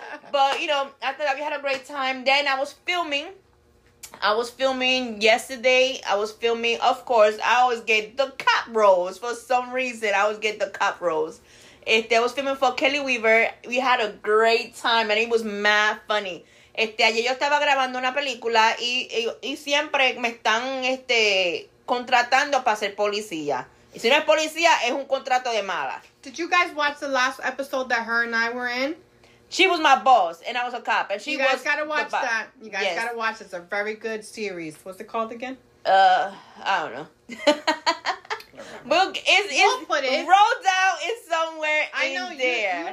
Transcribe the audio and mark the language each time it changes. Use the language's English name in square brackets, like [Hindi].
[English] But, you know, after that we had a great time. Then I was filming yesterday. I was filming, of course, I always get the cop roles. For some reason, I always get the cop roles. I was filming for Kelly Weaver. We had a great time and it was mad funny. [Spanish] Ayer yo estaba grabando una película y siempre me están contratando para ser policía. Y si no es policía, es un contrato de mala. [English] Did you guys watch the last episode that her and I were in? She was my boss and I was a cop. And you guys gotta watch that. You guys yes. gotta watch. It's a very good series. What's it called again? I don't know. We'll put it. Rolled out is somewhere I in know, there.